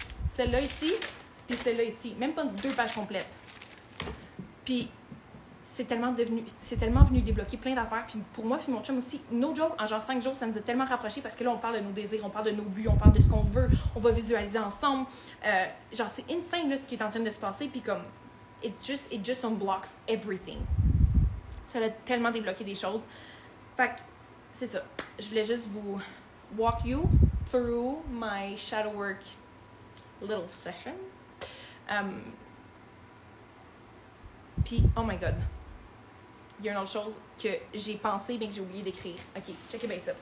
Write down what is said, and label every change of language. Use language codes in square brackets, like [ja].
[fr] Celle-là ici, puis celle-là ici. Même pas deux pages complètes. Puis c'est tellement venu débloquer plein d'affaires. Puis pour moi, puis mon chum aussi, [en] no joke, [fr] en genre 5 jours, ça nous a tellement rapprochés parce que là, on parle de nos désirs, on parle de nos buts, on parle de ce qu'on veut, on va visualiser ensemble. Genre, c'est insane, là, ce qui est en train de se passer. Puis comme, [en] it just unblocks everything. [fr] Ça a tellement débloqué des choses. Fait que, c'est ça. Je voulais juste vous [en] walk you through my shadow work little session. [fr] Puis, [en] oh my god, [fr] il y a une autre chose que j'ai pensé, mais que j'ai oublié d'écrire. OK, checkez bien ça.